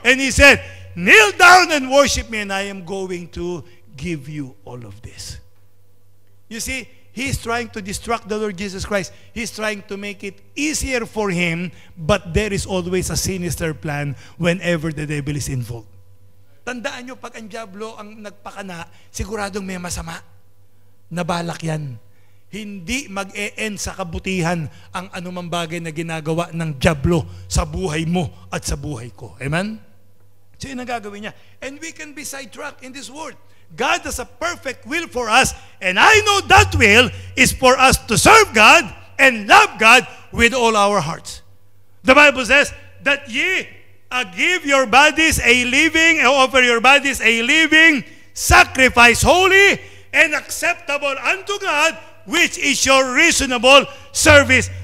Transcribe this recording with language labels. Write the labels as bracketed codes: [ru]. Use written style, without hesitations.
[en] And he said, kneel down and worship me, and I am going to give you all of this. You see, he's trying to distract the Lord Jesus Christ. He's trying to make it easier for him, but there is always a sinister plan whenever the devil is involved. [tl] Tandaan nyo, pag ang diablo ang nagpakana, siguradong may masama. Nabalak yan. Hindi mag-e-end sa kabutihan ang anumang bagay na ginagawa ng diablo sa buhay mo at sa buhay ko. Amen? So yun ang gagawin niya. [en] And we can be sidetracked in this world. God has a perfect will for us, and I know that will is for us to serve God and love God with all our hearts. The Bible says that ye give your bodies a living, offer your bodies a living sacrifice, holy and acceptable unto God, which is your reasonable service.